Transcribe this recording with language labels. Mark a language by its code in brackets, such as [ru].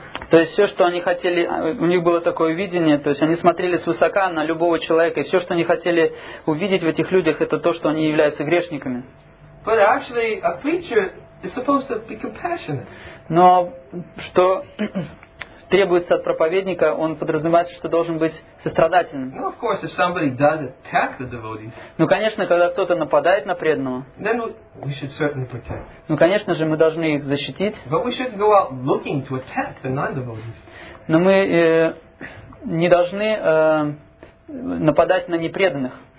[ru] То есть все, что они хотели, у них было такое видение, то есть они смотрели свысока на любого человека, и все, что они хотели увидеть в этих людях, это то, что они являются грешниками. [en] But actually, a preacher is supposed to be compassionate. [ru] Но что требуется от проповедника, он подразумевает, что должен быть сострадательным. [en] Well, of course, if somebody does attack the devotees, [ru] ну, конечно, когда кто-то нападает на преданного, [en] then we should certainly protect. [ru] Ну, конечно же, мы должны их защитить. [en] But we shouldn't go out looking to attack the non-devotees. [ru] Но мы не должны нападать на непреданных.